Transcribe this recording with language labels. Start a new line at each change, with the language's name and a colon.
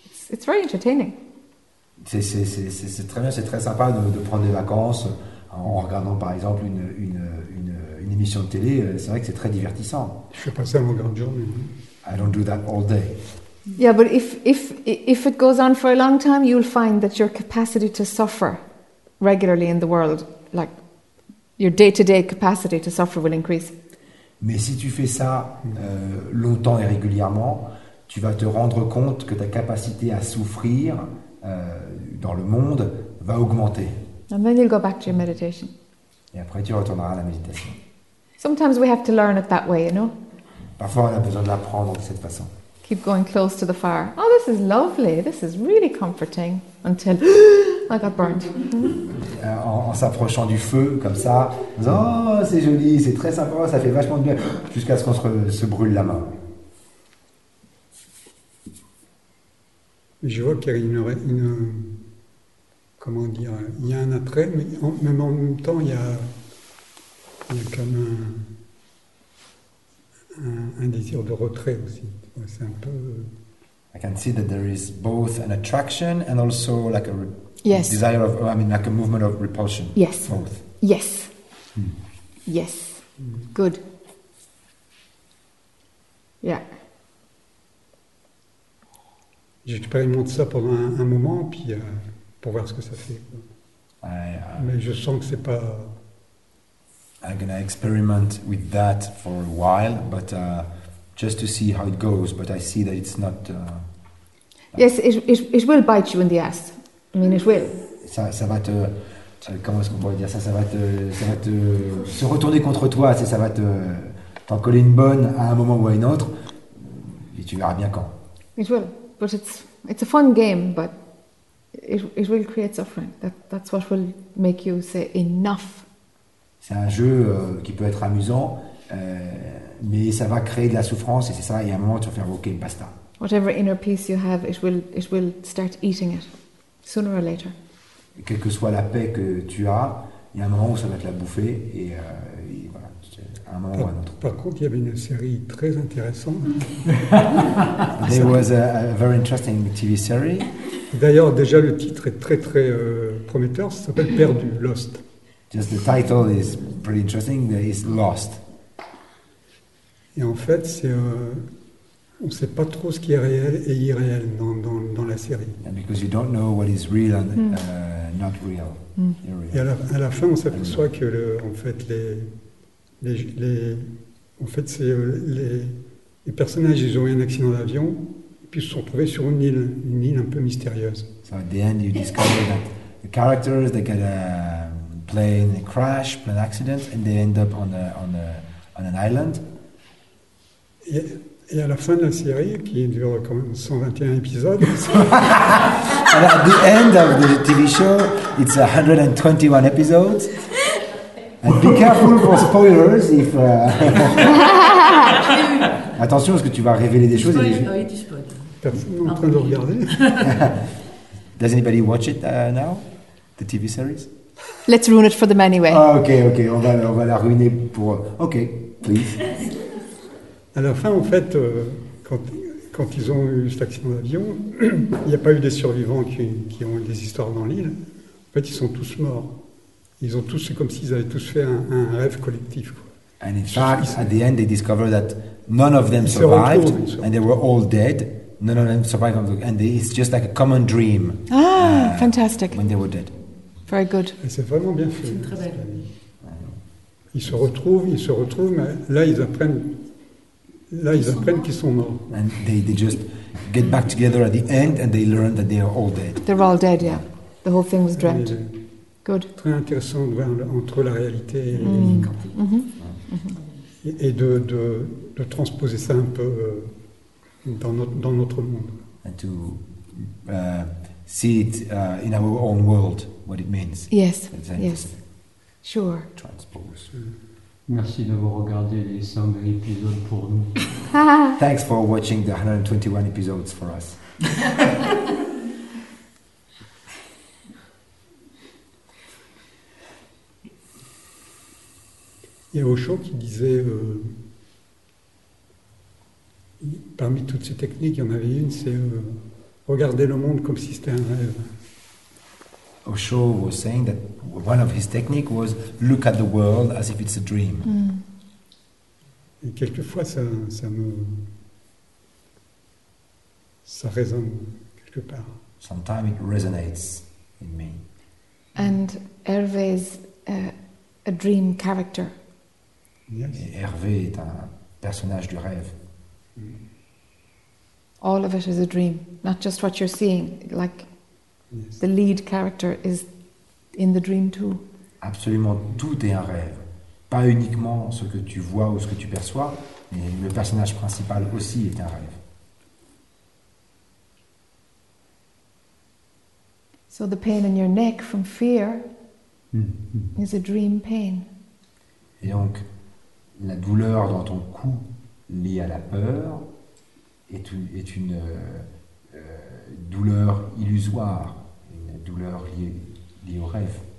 English: It's very entertaining.
French: C'est très bien, c'est très sympa de prendre des vacances en regardant, par exemple, une émission de télé. C'est vrai que c'est très divertissant. Je fais pas ça en grande journée.
English: I don't do that all day. Yeah, but if it goes on for a long time, you'll find that your capacity to suffer regularly in the world, like, your day-to-day capacity to suffer will increase.
French: Mais si tu fais ça longtemps et régulièrement, tu vas te rendre compte que ta capacité à souffrir dans le monde va augmenter.
English: And then you'll go back to your meditation.
French: Et après, tu retourneras à la méditation.
English: Sometimes we have to learn it that way, you know?
French: Parfois, on a besoin de l'apprendre de cette façon.
English: Keep going close to the fire. Oh, this is lovely. This is really comforting. Until I got burnt.
French: En s'approchant du feu, comme ça. Oh, c'est joli, c'est très sympa, ça fait vachement de bien. Jusqu'à ce qu'on se brûle la main. Je vois qu'il y a comment dire, il y a un attrait, mais même en même temps, il y a comme un désir de retrait aussi. C'est un peu.
English: I can see that there is both an attraction and also like a yes. Desire of, I mean, like a movement of repulsion. Yes. Both. Yes. Hmm. Yes. Hmm. Good. Yeah.
French: J'expérimente ça pendant un moment, puis pour voir ce que ça fait. Mais je sens que c'est pas.
English: I'm gonna experiment with that for a while, but just to see how it goes. But I see that it's not. Yes, it will bite you in the ass. I mean, it will.
French: Ça va te. Comment est-ce qu'on pourrait dire ça? Ça va te se retourner contre toi. Ça va te t'en coller une bonne à un moment ou à un autre. Et tu verras bien quand.
English: It will, but it's a fun game, but. It will create suffering. That's what will make you say enough.
French: C'est un jeu qui peut être amusant, mais ça va créer de la souffrance, et c'est ça. Il y a un moment, tu vas faire OK, basta.
English: Whatever inner peace you have, it will start eating it, sooner or later.
French: Quelle que soit la paix que tu as, il y a un moment où ça va te la bouffer, et voilà, un moment ou un autre. Par contre, il y avait une série très intéressante.
English: There was a very interesting TV series.
French: D'ailleurs, déjà le titre est très très prometteur. Ça s'appelle Perdu, Lost.
English: Just the title is pretty interesting. There is Lost.
French: Et en fait, c'est on ne sait pas trop ce qui est réel et irréel dans la série.
English: And because you don't know what is real and not real.
French: Et à la fin, on s'aperçoit que les personnages, ils ont eu un accident d'avion. Puis ils se sont retrouvés sur une île un peu mystérieuse.
English: So at the end, you discover that the characters they get a plane crash, plane accident, and they end up on an island.
French: Et à la fin de la série, qui dure quand même 121 épisodes.
English: And at the end of the TV show, it's 121 episodes. And be careful for spoilers if.
French: Attention, parce que tu vas révéler des choses. Spoiler, et des... Oh, personne en train de regarder.
English: Does anybody watch it now, the TV series? Let's ruin it for them anyway.
French: Ah, ok, on va la ruiner pour... Ok, please. À la fin, en fait, quand ils ont eu cet accident d'avion, il n'y a pas eu des survivants qui ont eu des histoires dans l'île. En fait, ils sont tous morts. Ils ont tous, c'est comme s'ils avaient tous fait un rêve collectif, quoi.
English: And in fact, at the end, they discover that none of them survived, and they were all dead. None of them survived, and it's just like a common dream. Ah, fantastic! When they were dead. Very good.
French: Et c'est vraiment bien fait. C'est très belle. Ils se retrouvent, mais là ils apprennent qu'ils sont morts.
English: And they just get back together at the end, and they learn that they are all dead. They're all dead, yeah. The whole thing was dreamt. Good.
French: Très intéressant de voir entre la réalité et la vie. Et de transposer ça un peu dans notre monde.
English: And to see it in our own world, what it means. Yes. Yes. Sure. Transpose.
French: Merci d'avoir regardé les 100 épisodes pour nous.
English: Thanks for watching the 121 episodes for us.
French: Il y a Auchan qui disait, parmi toutes ces techniques, il y en avait une, c'est regarder le monde comme si c'était un rêve.
English: Auchan was saying that one of his techniques was look at the world as if it's a dream.
French: Mm. Et quelquefois, ça résonne quelque part.
English: Sometimes it resonates in me. And Hervé is a dream character. Yes.
French: Hervé est un personnage du rêve.
English: All of it is a dream, not just what you're seeing. Like, yes. The lead character is in the dream too.
French: Absolument, tout est un rêve. Pas uniquement ce que tu vois ou ce que tu perçois, mais le personnage principal aussi est un rêve.
English: So the pain in your neck from fear is a dream pain.
French: Et donc, la douleur dans ton cou liée à la peur est une douleur illusoire, une douleur liée au rêve.